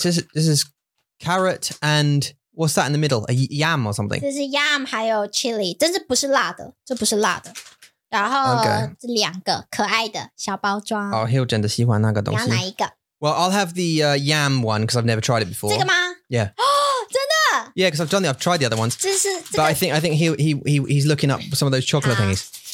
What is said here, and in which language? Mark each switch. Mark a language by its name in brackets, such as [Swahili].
[English] This is carrot and what's that in the middle? A yam or something? This is yam, [Chinese] 还有 chili. 这是不是辣的。然后这两个, 可爱的, 小包装。 [English] Oh, he'll [Chinese] 真的喜欢那个东西。你要哪一个? [English] Well, I'll have the yam one because I've never tried it before. [Chinese] 这个吗? [English] Yeah. [Chinese] 真的? [English] Yeah, because I've tried the other ones. [Chinese] 这是, [English] but I think he's looking up some of those chocolate thingies.